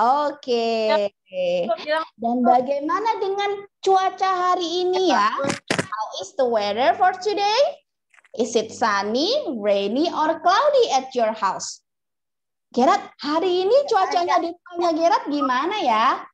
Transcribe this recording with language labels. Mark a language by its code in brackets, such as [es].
[id] Oke. Dan bagaimana dengan cuaca hari ini ya? [en] How is the weather for today? Is it sunny, rainy, or cloudy at your house? [id] Gerard, hari ini cuacanya di rumahnya Gerard gimana ya?